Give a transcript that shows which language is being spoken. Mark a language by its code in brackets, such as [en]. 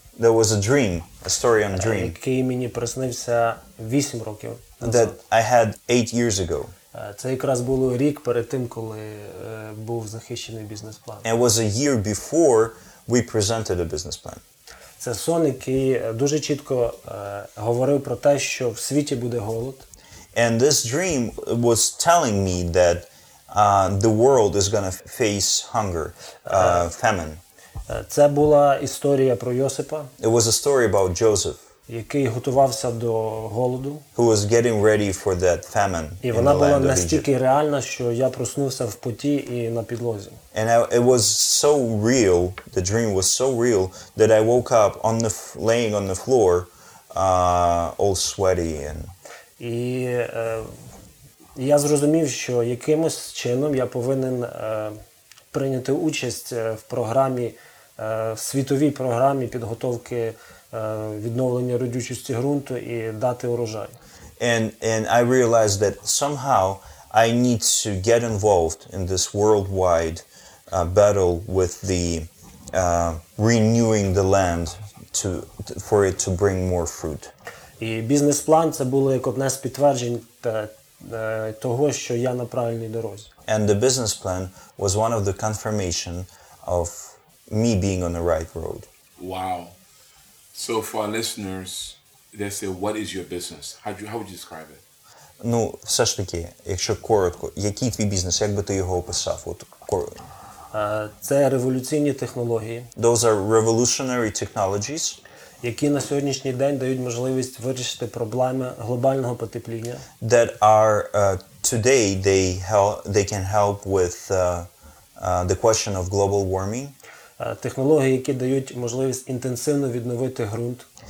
[en] There was a dream, a story on a dream. [uk] Який мені приснився 8 років назад. [en] That I had 8 years ago. [uk] Це якраз було рік перед тим, коли був захищений бізнес-план. [en] It was a year before we presented a business plan. [uk] Це сон, який дуже чітко говорив про те, що в світі буде голод. [en] And this dream was telling me that the world is going to face hunger, famine. [uk] Це була історія про Йосипа. [en] It was a story about Joseph. [uk] Який готувався до голоду. [en] Who was getting ready for that famine. [uk] І вона була настільки реальна, що я проснувся в поті і на підлозі. [en] And it was so real, the dream was so real, that I woke up on the laying on the floor, all sweaty. And [uk] і я зрозумів, що якимось чином я повинен прийняти участь в програмі, в світовій програмі підготовки відновлення родючості ґрунту і дати урожай. [en] And I realized that somehow I need to get involved in this worldwide battle with the renewing the land to for it to bring more fruit. [uk] І бізнес-план це було як одне з підтверджень того, що я на правильній дорозі. [en] And the business plan was one of the confirmation of me being on the right road. Wow. So for our listeners, they say, what is your business? How would you describe it? [uk] Ну, все ж таки, якщо коротко, який твій бізнес, як би ти його описав? От, це революційні технології. [en] Those are revolutionary technologies. [uk] Які на сьогоднішній день дають можливість вирішити проблеми глобального потепління. [en] That are, today, they can help with the question of global warming. [uk] Технології, які дають можливість інтенсивно відновити ґрунт.